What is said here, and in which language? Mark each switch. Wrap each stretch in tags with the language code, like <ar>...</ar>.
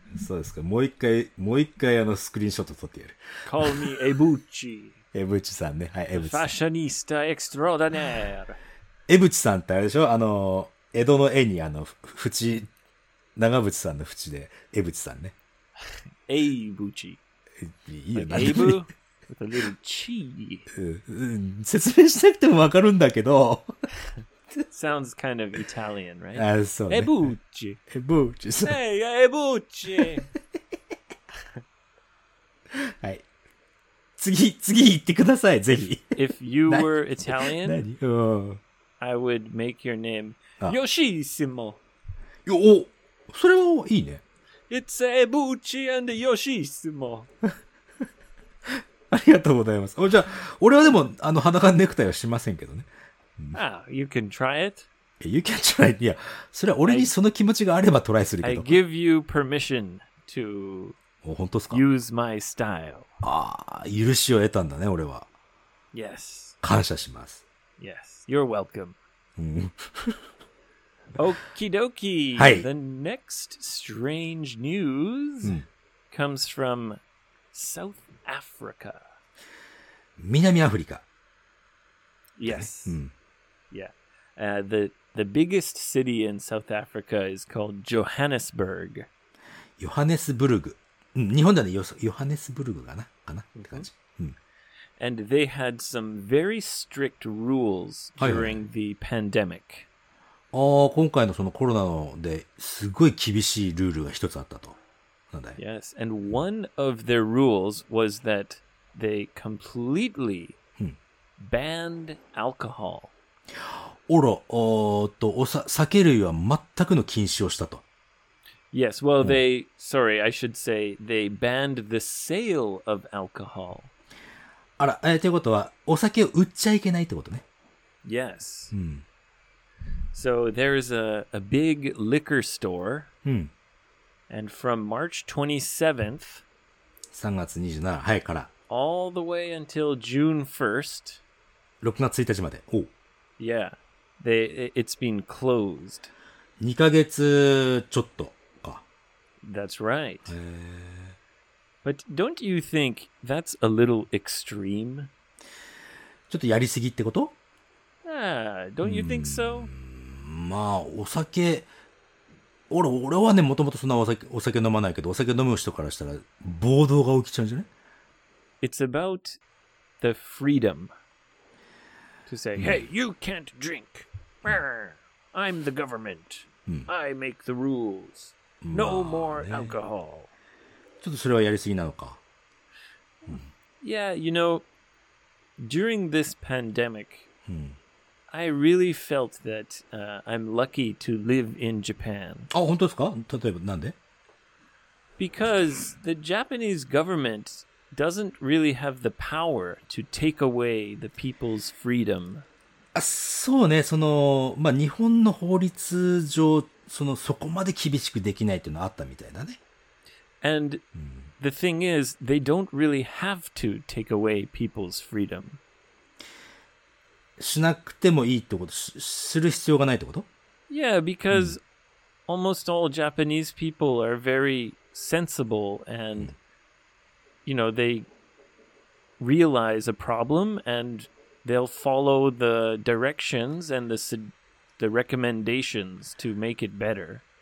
<ja>そうですか、もう一回、スクリーンショット撮ってやる。</ja> <en>Call me Ebuchi!</en> <ja>江渕さんね。はい、江渕さん。ファッショニスタエクストローダネール。江渕さんってあれでしょ、あの、江戸の絵に、あの、縁、長渕さんの縁で、江渕さんね。エイブチ。いいよ、なエイブ</ja> <en>with a little</en> <ja>チー、うん。説明しなくてもわかるんだけど。</ja> <en>Sounds kind of Italian, right?</en> <ja>あ、そうね。エブチ。エブチ。エイ、エブチ。はい。次行ってください、ぜひ。</ja> <en>If you were Italian, I would make your name Yoshissimo.</en> <ja>よ、お、それはいいね。</ja> <en>It's Ebuchi and Yoshissimo.</en> <ja>ありがとうございます。じゃあ、俺はでも、あの、裸ネクタイはしませんけどね。</ja> <en>Ah, you can try it. You can try it.</en> <ja>いや、それは俺にその気持ちがあればトライするけど。</ja> <en>I give you permission to use my style.</en> <ja>ああ、許しを得たんだね、俺は。</ja> <en>Yes.</en> <ja>感謝します。</ja> <en>Yes, you're welcome. Okie dokie.</en> <ja>はい。</ja> <en>The next strange news comes from South Africa.</en> <ja>南アフリカ。</ja> <en>Yes. Yeah. The biggest city in South Africa is called Johannesburg.</en> <ja>ヨハネスブルグ。日本だね、ヨハネスブルグかなって感じ。</ja> <en>And they had some very strict rules during the pandemic.</en> <ja>ああ、今回のそのコロナですごい厳しいルールが一つあったと。なんだい?</ja> <en>Yes, and one of their rules was that they completely banned alcohol.</en> <ja>おら、酒類は全くの禁止をしたと。</ja> <en>Yes, well, they, sorry, I should say, they banned the sale of alcohol.</en> <ja>あら、ということは、お酒を売っちゃいけないってことね。</ja> <en>Yes.、うん、 so, there is a big liquor store.、うん、 and from March 27th, 3</en> <ja>月27日、はい、から。</ja> <en>All the way until June 1st.</en> <ja>6月1日まで。おう。</ja> <en>Yeah. It's been closed.</en> <ja>2ヶ月ちょっとか。</ja> <en>That's right.</en> <ja>へぇ。</ja> <en>But don't you think that's a little extreme?</en> <ja>ちょっとやりすぎってこと?</ja> <en>Ah, don't you think so?</en> <ja>まあ、お酒、俺はね、もともとそんなお酒飲まないけど、お酒飲む人からしたら暴動が起きちゃうんじゃない?</ja> <en>It's about the freedom to say, Hey, you can't drink. I'm the government. I make the rules. No more alcohol.</en> <ja>ちょっとそれはやりすぎなのか。うん、</ja> <en>yeah, you know, during this pandemic,、うん、 I really felt that、I'm lucky to live in Japan.</en> <ja>あ、本当ですか?例えばなんで?</ja> <en>Because the Japanese government doesn't really have the power to take away the people's freedom.</en> <ja>あ、そうね。その、まあ、日本の法律上、そこまで厳しくできないっていうのはあったみたいだね。</ja> <en>And the thing is, they don't really have to take away people's freedom.</en> <ja>しなくてもいいってこと?する必要がないってこと?</ja> <en>Yeah, because almost all Japanese people are very sensible and, you know, they realize a problem and they'll follow the directions and the recommendations to make it better.</en>